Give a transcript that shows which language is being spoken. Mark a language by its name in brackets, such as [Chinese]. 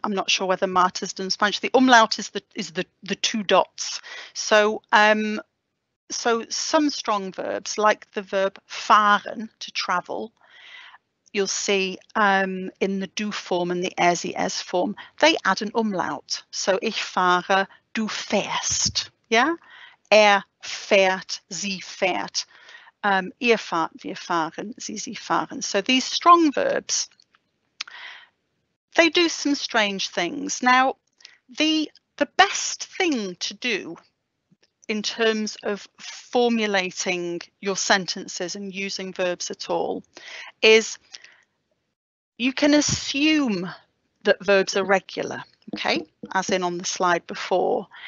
[English] I'm not sure whether Marta's done Spanish. The umlaut is the two dots. So so some strong verbs, like the verb fahren, to travel, you'll see in the du form and the er, sie, es form, they add an umlaut. [German] So ich fahre, du fährst. Yeah. Er fährt, sie fährt, ihr fahrt, wir fahren, sie fahren. [English] So these strong verbs, they do some strange things. Now, the best thing to do in terms of formulating your sentences and using verbs at all is you can assume that verbs are regular, okay, as in on the slide before.